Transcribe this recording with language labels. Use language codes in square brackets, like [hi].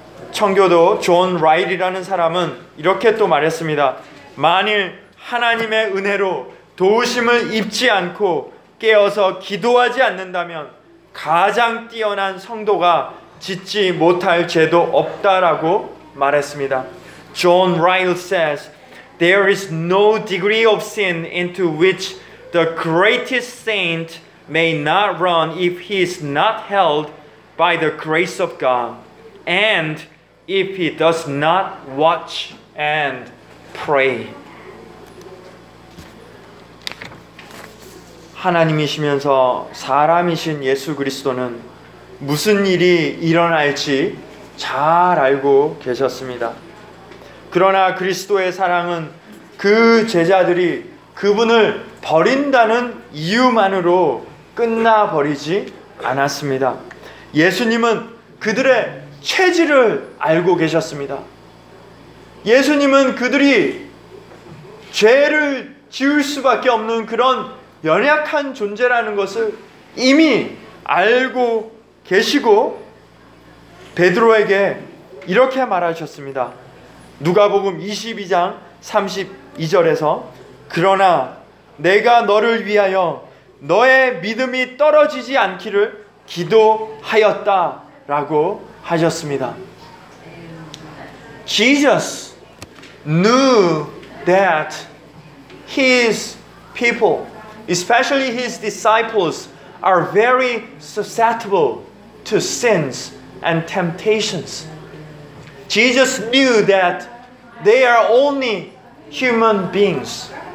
[ko] 청교도 존 라일이라는 사람은 이렇게 또 말했습니다. 만일 하나님의 은혜로 도우심을 입지 않고 깨어서 기도하지 않는다면 가장 뛰어난 성도가 짓지 못할 죄도 없다라고 말했습니다. [en] John Ryle says, There is no degree of sin into which the greatest saint may not run if he is not held by the grace of God and if he does not watch and pray. [ko] 하나님이시면서 사람이신 예수 그리스도는 무슨 일이 일어날지 잘 알고 계셨습니다. 그러나 그리스도의 사랑은 그 제자들이 그분을 버린다는 이유만으로 끝나버리지 않았습니다. 예수님은 그들의 체질을 알고 계셨습니다. 예수님은 그들이 죄를 지을 수밖에 없는 그런 연약한 존재라는 것을 이미 알고 계시고 베드로에게 이렇게 말하셨습니다. 누가복음 22장 32절에서 그러나 내가 너를 위하여 너의 믿음이 떨어지지 않기를 기도하였다 라고 하셨습니다. [en] Jesus knew that his people, especially his disciples, are very susceptible to sins and temptations. Jesus knew that they are only human beings.